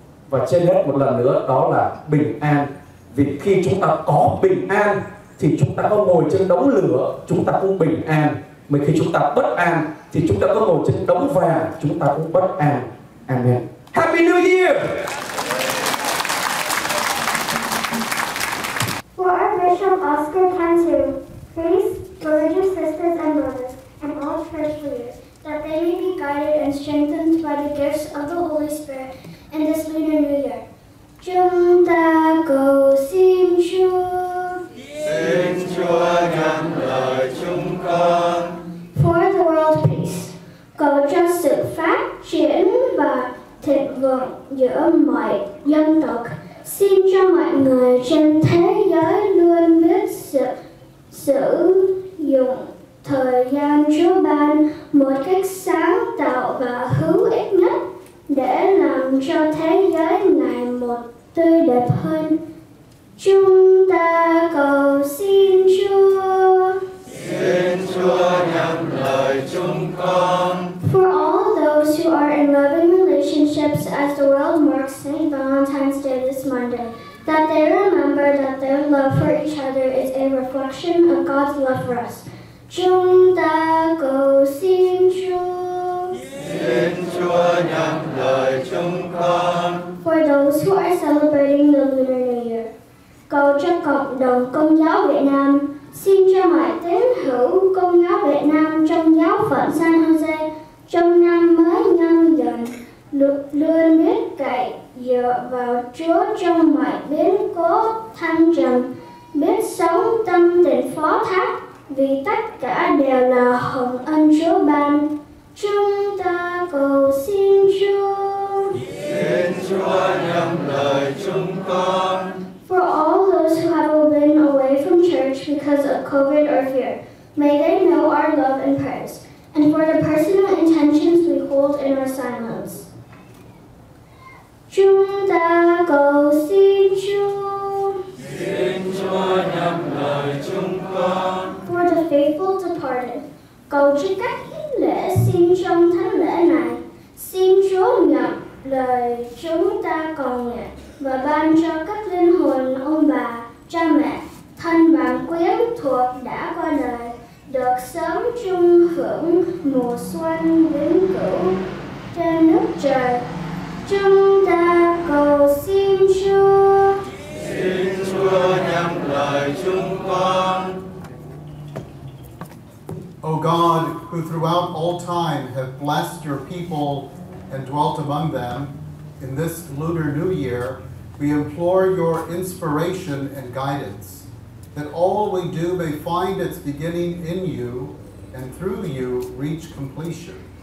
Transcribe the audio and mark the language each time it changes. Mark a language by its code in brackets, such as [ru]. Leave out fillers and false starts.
[vi] Và trên hết một lần nữa đó là bình an. Vì khi chúng ta có bình an thì chúng ta có ngồi trên đống lửa, chúng ta cũng bình an. Mà khi chúng ta bất an thì chúng ta có ngồi trên đống vàng, chúng ta cũng bất an. [en] Amen. Happy New Year! For our Bishop Oscar Cantu, priests, religious sisters and brothers, and all church leaders, that they may be guided and strengthened by the gifts of the Holy Spirit in this Lunar New Year. [vi] Chúng ta cầu xin Chúa. Xin Chúa nhận lời chúng con. [en] For the world peace, [vi] cầu cho sự phát triển và thịnh vượng giữa mọi dân tộc. Xin cho mọi người trên thế giới luôn biết sử dụng thời gian Chúa ban một cách sáng tạo và hữu ích nhất để làm cho thế giới ngày một tươi đẹp hơn. Chúng ta cầu xin Chúa. ngàn lời chúng con. [en] For all those who are in loving relationships as the world marks St. Valentine's Day this Monday, that they remember that their love for each other is a reflection of God's love for us. [vi] Chúng ta cầu xin Chúa. Xin Chúa nhận lời chúng con. [en] For those who are celebrating the Lunar New Year, [vi] cầu cho cộng đồng Công giáo Việt Nam, xin cho mọi tín hữu Công giáo Việt Nam trong giáo phận San Jose trong năm mới nhâm dần luôn biết cậy dựa vào Chúa trong mọi biến cố thăng trầm, biết sống tâm tình phó thác vì tất cả đều là hồng ân Chúa ban. Chúng ta cầu xin Chúa. Xin Chúa nhận lời chúng con. [en] For all those who have been away from church because of COVID or fear, may they know our love and prayers, and for the personal intentions we hold in our silence. [vi] Chúng ta cầu xin Chúa. Xin Chúa nhận lời chúng con. [en] For the faithful departed, [vi] cầu cho các hiến lễ xin trong thánh lễ này, xin Chúa nhận lời chúng ta cầu nguyện và ban cho các linh hồn ông bà, cha mẹ, thân bạn quyến thuộc đã qua đời được sớm chung hưởng mùa xuân vĩnh cửu trên nước trời. Chúng ta cầu xin Chúa. Xin Chúa nhận lời chúng con. [en] O God, who throughout all time have blessed your people and dwelt among them, in this Lunar New Year, we implore your inspiration and guidance, that all we do may find its beginning in you and through you reach completion.